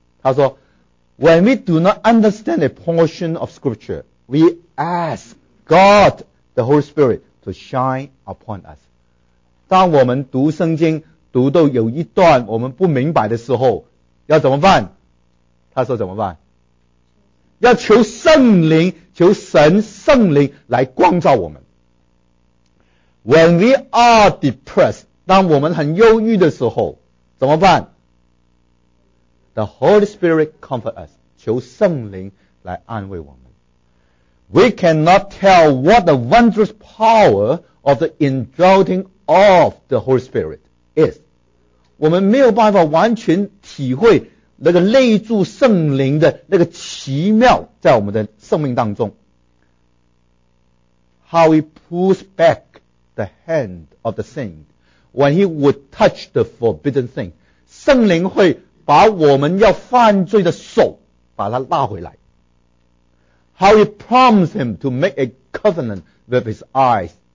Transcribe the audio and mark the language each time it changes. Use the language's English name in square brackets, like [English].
[Chinese] 他说 [English] When we do not understand a portion of scripture, we ask God, the Holy Spirit, to shine upon us. [Chinese] 当我们读圣经，读到有一段我们不明白的时候，要怎么办？他说怎么办？要求圣灵，求神圣灵来光照我们。 [English] When we are depressed, [Chinese] 当我们很忧郁的时候，怎么办？ [English] The Holy Spirit comfort us， [Chinese] 求圣灵来安慰我们。 [English] We cannot tell what the wondrous power of the indwelling of the Holy Spirit is。 [Chinese] 我们没有办法完全体会那个内住圣灵的那个奇妙在我们的生命当中。 [English] How he pulls back the hand of the sin when he would touch the forbidden thing。 [Chinese] 圣灵会把我们要犯罪的手把它拉回来。 [English] How he prompts him to make a covenant with his eyes.